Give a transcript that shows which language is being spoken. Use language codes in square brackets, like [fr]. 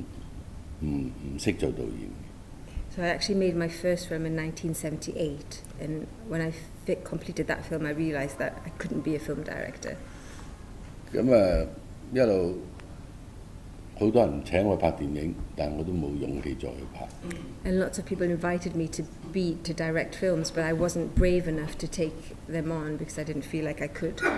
[yue] 1978年，其實係1978年啦。其實1978年我拍完之後咧，我就覺得自己真係唔識做導演。 [en] So I actually made my first film in 1978, and when I completed that film, I realised that I couldn't be a film director. [yue] 咁啊，一路好多人請我拍電影，但我都冇勇氣再去拍。 [en] And lots of people invited me to direct films, but I wasn't brave enough to take them on because I didn't feel like I could.